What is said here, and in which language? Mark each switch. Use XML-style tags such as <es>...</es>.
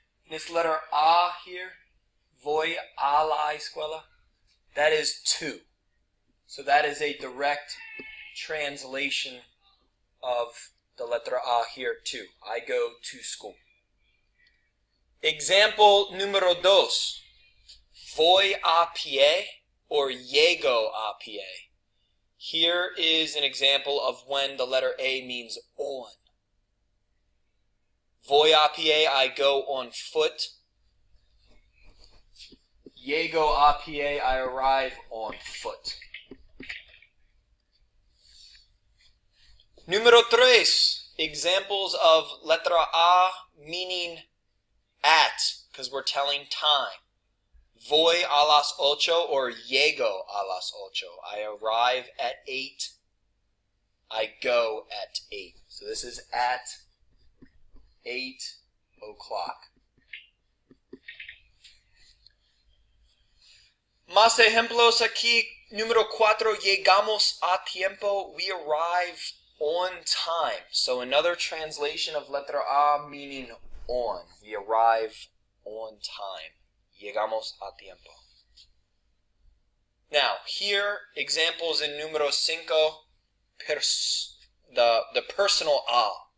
<en>This letter a here,</en> <es>voy a la escuela.</es> <en>That is to. So that is a direct translation of the letter a here too. I go to school.</en> <es>Example numero dos. Voy a pie or llego a pie.</es> <en>Here is an example of when the letter A means on.</en> <es>Voy a pie,</es> <en>I go on foot.</en> <es>Llego a pie,</es> <en>I arrive on foot.</en> <es>Numero tres,</es> <en>examples of letra A meaning at, because we're telling time.</en> <es>Voy a las ocho or llego a las ocho.</es> <en>I arrive at 8. I go at 8. So this is at 8 o'clock.</en> <es>Más ejemplos aquí. Numero cuatro, llegamos a tiempo.</es> <en>We arrive on time. So another translation of letter A meaning on. We arrive on time.</en> <es>Llegamos a tiempo.</es> <en>Now, here, examples in</en> <es>numero cinco,</es> <en>the personal A.</en>